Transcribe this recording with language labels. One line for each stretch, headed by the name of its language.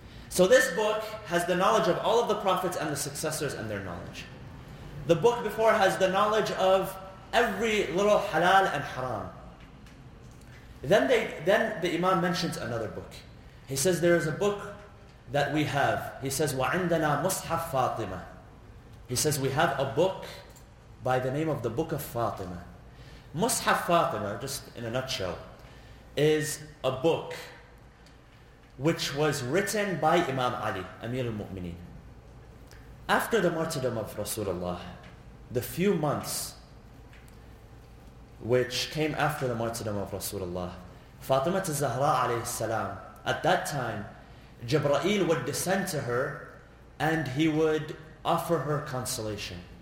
English: So this book has the knowledge of all of the prophets and the successors and their knowledge. The book before has the knowledge of every little halal and haram. Then the imam mentions another book. He says, there is a book that we have. He says,
Arabic: وَعِنْدَنَا مُصْحَفْ فَاطِمَةً.
English: He says, we have a book by the name of the Book of Fatima. Mus'haf Fatima, just in a nutshell, is a book which was written by Imam Ali, Amir al-Mu'mineen. After the martyrdom of Rasulullah, the few months which came after the martyrdom of Rasulullah, Fatima al-Zahra alayhi salam, at that time, Jibra'il would descend to her and he would offer her consolation.